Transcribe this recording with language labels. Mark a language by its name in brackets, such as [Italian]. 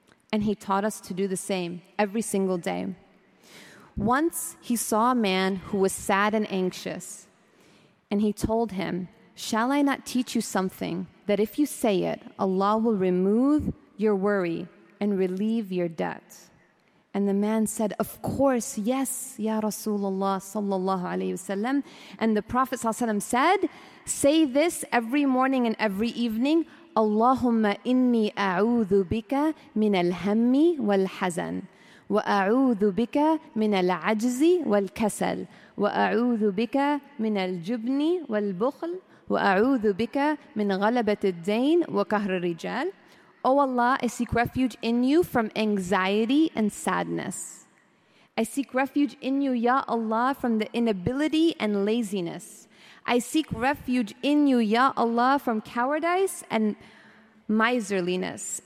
[English] And he taught us to do the same every single day. Once he saw a man who was sad and anxious, and he told him, shall I not teach you something that if you say it, Allah will remove your worry and relieve your debt? And the man said, of course, yes, Ya Rasulullah sallallahu alayhi wasallam. And the Prophet sallallahu alayhi wasallam said, say this every morning and every evening, [Arabic] اللهم إني أعوذ بك من الهم والحزن وأعوذ بك من العجز والكسل وأعوذ بك من الجبن والبخل وأعوذ بك من غلبة الدين وكهر الرجال. [English] O Allah, I seek refuge in you from anxiety and sadness. I seek refuge in you, Ya Allah, from the inability and laziness. I seek refuge in you, Ya Allah, from cowardice and miserliness.